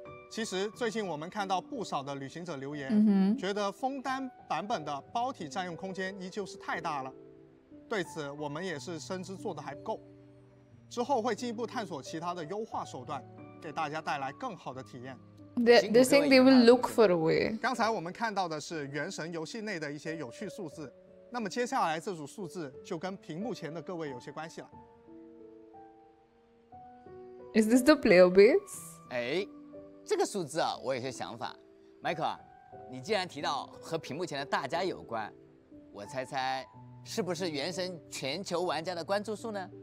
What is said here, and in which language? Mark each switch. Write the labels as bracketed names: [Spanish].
[Chinese] 其实最近我们看到不少的旅行者留言、嗯、觉得枫丹版本的包体占用空间依旧是太大了，对此我们也是深知做得还不够，之后会进一步探索其他的优化手段，给大家带来更好的体验。 [English] They think they will look for a way。 [Chinese] 刚才我们看到的是原神游戏内的一些有趣数字，那么接下来这组数字就跟屏幕前的各位有些关系了。 [English] Is this the player base? [Chinese] 哎，这个数字啊，我有些想法。Michael 啊，你既然提到和屏幕前的大家有关，我猜猜是不是原神全球玩家的关注数呢？